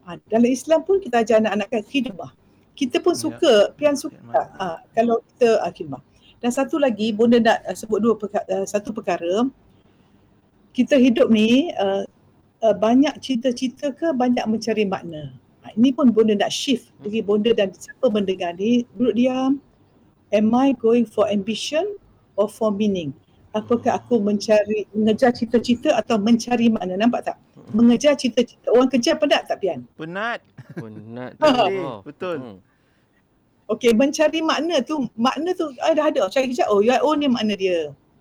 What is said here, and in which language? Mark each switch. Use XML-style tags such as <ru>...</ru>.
<ms>Dalam Islam pun kita ajar anak-anak kan khidmah. Kita pun suka, pian suka kalau kita khidmah. Dan satu lagi, Bunda nak sebut dua satu perkara. Kita hidup ni banyak cita-cita ke banyak mencari makna? Ini pun Bunda nak shift. Jadi Bunda dan siapa mendengar ni, duduk diam.</ms> <en>Am I going for ambition or for meaning?</en> <ms>Apakah aku mencari, mengejar cita-cita atau mencari makna? Nampak tak? Mengejar cita-cita. Orang kejar penat tak, Pian? Penat. Penat. Betul. Okay, mencari makna tu, makna tu dah ada. Cari kejap, oh,</ms> <en>your own</en> <ms>ni makna dia.</ms>